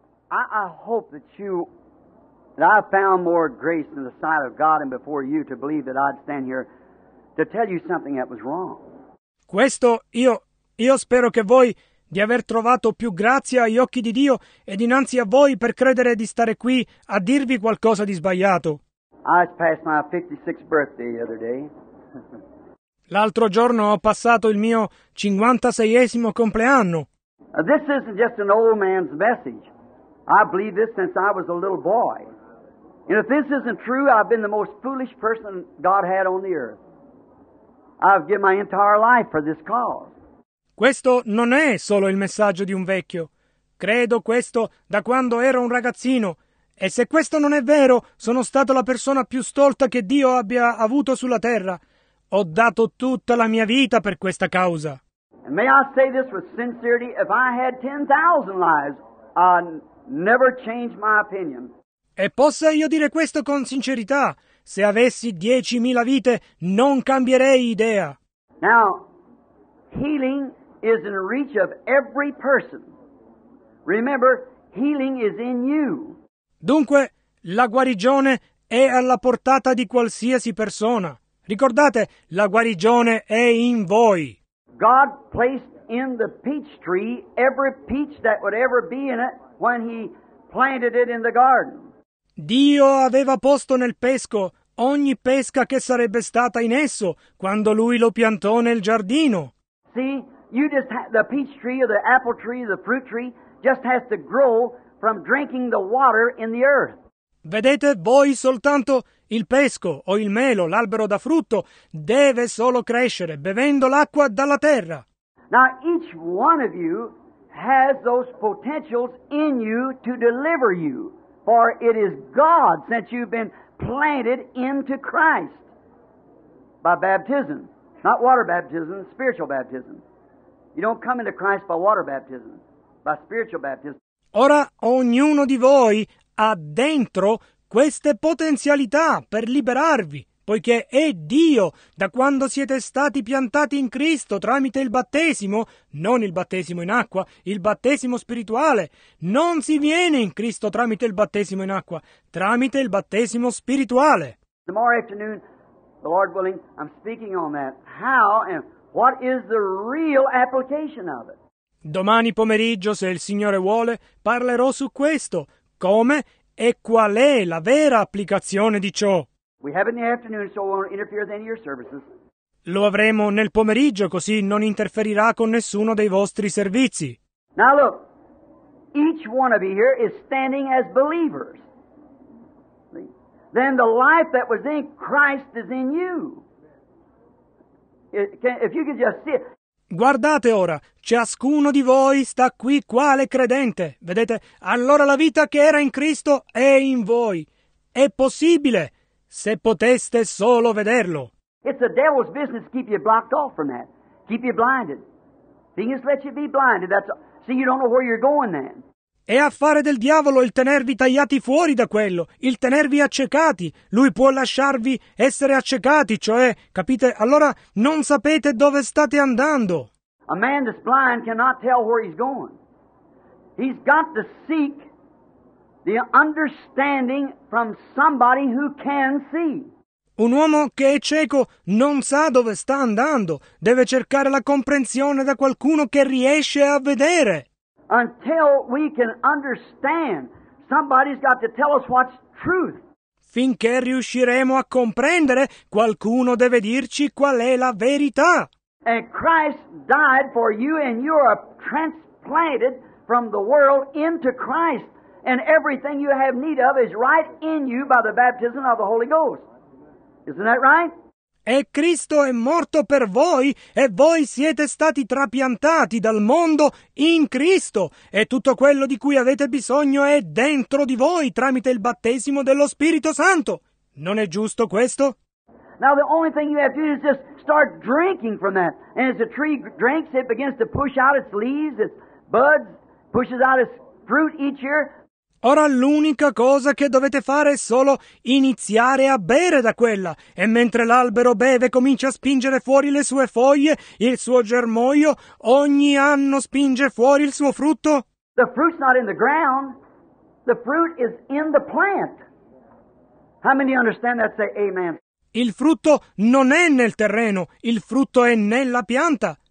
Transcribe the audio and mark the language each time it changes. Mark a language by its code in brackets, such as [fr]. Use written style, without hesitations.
[en] I hope that you, that I found more grace in the sight of God and before you to believe that I'd stand here to tell you something that was wrong. [it] Questo io spero che voi di aver trovato più grazia agli occhi di Dio e dinanzi a voi per credere di stare qui a dirvi qualcosa di sbagliato. [en] I just passed my 56th birthday the other day. [it] L'altro giorno ho passato il mio 56esimo compleanno. [en] This isn't just an old man's message. I believe this since I was a little boy. And if this isn't true, I've been the most foolish person God had on the earth. I've given my entire life for this cause. [it] Questo non è solo il messaggio di un vecchio. Credo questo da quando ero un ragazzino. E se questo non è vero, sono stato la persona più stolta che Dio abbia avuto sulla terra. Ho dato tutta la mia vita per questa causa. [en] And may I say this with sincerity, if I had 10,000 lives, I'd never change my opinion. [it] E possa io dire questo con sincerità, se avessi 10,000 vite, non cambierei idea. [en] Now, healing is in reach of every person. Remember, healing is in you. [it] Dunque, la guarigione è alla portata di qualsiasi persona. Ricordate, la guarigione è in voi. [en] God placed in the peach tree every peach that would ever be in it when he planted it in the garden. [it] Dio aveva posto nel pesco ogni pesca che sarebbe stata in esso quando lui lo piantò nel giardino. [en] See, you just the peach tree or the apple tree or the fruit tree just has to grow from drinking the water in the earth. [it] Vedete, voi soltanto il pesco o il melo, l'albero da frutto, deve solo crescere bevendo l'acqua dalla terra. [en] Now each one of you has those potentials in you to deliver you, for it is God since you've been planted into Christ by baptism, not water baptism, spiritual baptism. You don't come into Christ by water baptism, by spiritual baptism. [it] Ora ognuno di voi ha dentro queste potenzialità per liberarvi, poiché è Dio, da quando siete stati piantati in Cristo tramite il battesimo, non il battesimo in acqua, il battesimo spirituale. Non si viene in Cristo tramite il battesimo in acqua, tramite il battesimo spirituale. [en] Tomorrow afternoon, the Lord willing, I'm speaking on that. How and what is the real application of it? [it] Domani pomeriggio, se il Signore vuole, parlerò su questo. Come e qual è la vera applicazione di ciò? [en] We have it in the afternoon, so we won't interfere with any of your services. [it] Lo avremo nel pomeriggio, così non interferirà con nessuno dei vostri servizi. [en] Now look, each one of you here is standing as believers. Then the life that was in Christ is in you. If you could just see it. [it] Guardate ora, ciascuno di voi sta qui quale credente. Vedete, allora la vita che era in Cristo è in voi. È possibile, se poteste solo vederlo. [en] It's the devil's business to keep you blocked off from that. Keep you blinded. He just let you be blinded. See, you don't know where you're going then. [it] È affare del diavolo il tenervi tagliati fuori da quello, il tenervi accecati. Lui può lasciarvi essere accecati, cioè, capite? Allora non sapete dove state andando. [en] A man that's blind cannot tell where he's going. He's got to seek the understanding from somebody who can see. [it] Un uomo che è cieco non sa dove sta andando. Deve cercare la comprensione da qualcuno che riesce a vedere. [en] Until we can understand, somebody's got to tell us what's truth. [it] Finché riusciremo a comprendere, qualcuno deve dirci qual è la verità. [en] And Christ died for you, and you are transplanted from the world into Christ, and everything you have need of is right in you by the baptism of the Holy Ghost. Isn't that right? [it] E Cristo è morto per voi e voi siete stati trapiantati dal mondo in Cristo e tutto quello di cui avete bisogno è dentro di voi tramite il battesimo dello Spirito Santo. Non è giusto questo? [en] Now the only thing you have to do is just start drinking from that. And as the tree drinks, it begins to push out its leaves, its buds, pushes out its fruit each year. [it] Ora l'unica cosa che dovete fare è solo iniziare a bere da quella. E mentre l'albero beve comincia a spingere fuori le sue foglie, il suo germoglio, ogni anno spinge fuori il suo frutto. [en] The fruit's not in the ground. The fruit is in the plant. How many understand that? Say amen. [it] Il frutto non è nel terreno. Il frutto è nella pianta.